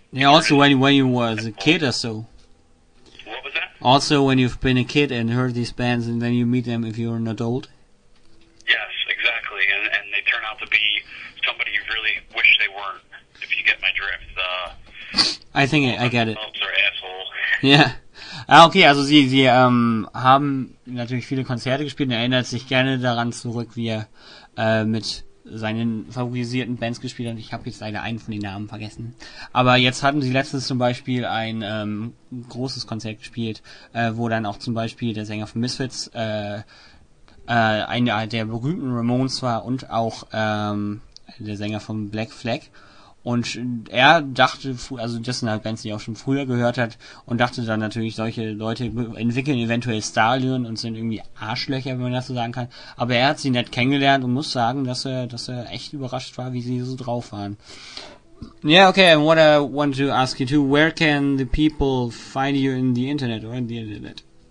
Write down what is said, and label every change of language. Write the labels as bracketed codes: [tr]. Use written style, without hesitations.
[en] yeah, also when you was a kid or so. What was that? Also, when you've been a kid and heard these bands, and then you meet them if you're an adult. Yes, exactly, and they turn out to be somebody you really wish they weren't. If you get my drift. I think I get it. Are assholes. Yeah. [de] Ah, okay, also sie haben natürlich viele Konzerte gespielt und er erinnert sich gerne daran zurück, wie er mit seinen favorisierten Bands gespielt hat. Ich habe jetzt leider einen von den Namen vergessen. Aber jetzt hatten sie letztens zum Beispiel ein großes Konzert gespielt, wo dann auch zum Beispiel der Sänger von Misfits einer der berühmten Ramones war und auch der Sänger von Black Flag. Und er dachte, also das sind halt Bands, die er auch schon früher gehört hat, und dachte dann natürlich, solche Leute entwickeln eventuell Stallion und sind irgendwie Arschlöcher, wenn man das so sagen kann. Aber er hat sie nett kennengelernt und muss sagen, dass er echt überrascht war, wie sie so drauf waren. [en] Yeah, okay, and what I want to ask you too, where can the people find you in the internet or in the internet?